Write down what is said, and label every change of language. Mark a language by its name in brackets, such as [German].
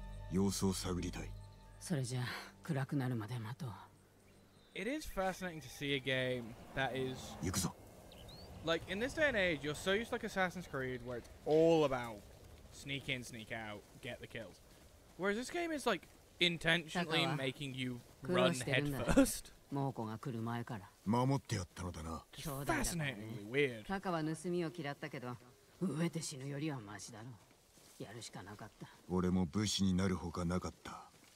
[Japanese] かつて我が父も平和のために命を捨てた。私だって同じだよ。だけど今はやらなくちゃ。おじ上の教えに背くわけにはいかん。今は目をつぶって家族を助けたいんだ。近くに寄ってみよう。様子を探りたい。それじゃ。 [English] It is fascinating to see a game that is like in this day and age you're so used to like Assassin's Creed where it's all about sneak in, sneak out, get the kills. Whereas this game is like intentionally making you run head first. It's fascinatingly weird. [Japanese] Takaは盗みを嫌ったけど、飢えて死ぬよりはマシだろう。やるしかなかった。俺も武士になるほかなかった。